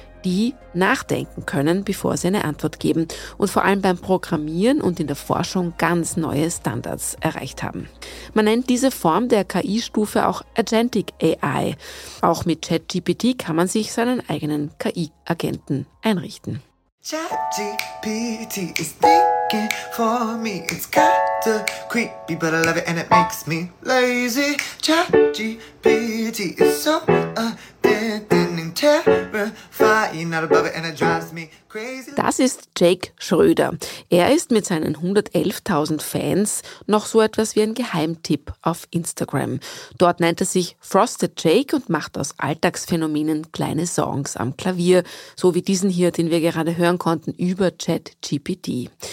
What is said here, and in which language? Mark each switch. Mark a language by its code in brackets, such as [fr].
[de] die nachdenken können, bevor sie eine Antwort geben und vor allem beim Programmieren und in der Forschung ganz neue Standards erreicht haben. Man nennt diese Form der KI-Stufe auch Agentic AI. Auch mit ChatGPT kann man sich seinen eigenen KI-Agenten einrichten. [en] ChatGPT is thinking for me. It's kinda creepy, but I love it and it makes me lazy. ChatGPT is so addicting, terrifying, not above it and it drives me crazy. [de] Das ist Jake Schröder. Er ist mit seinen 111.000 Fans noch so etwas wie ein Geheimtipp auf Instagram. Dort nennt er sich Frosted Jake und macht aus Alltagsphänomenen kleine Songs am Klavier, so wie diesen hier, den wir gerade hören konnten, über ChatGPT.